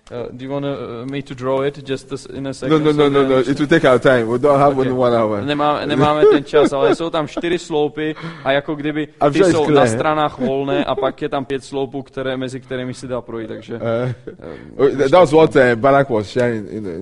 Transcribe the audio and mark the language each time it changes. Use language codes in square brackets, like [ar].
[en] Do you want me to draw it just in a second? No. It will take our time. We don't have only 1 hour. [cs] Nemáme ten čas, ale jsou tam čtyři sloupy a jako kdyby ty jsou na stranách volné a pak je tam pět sloupů, které mezi kterými si dá projít. Takže. [en] That was what Barak was sharing in the morning.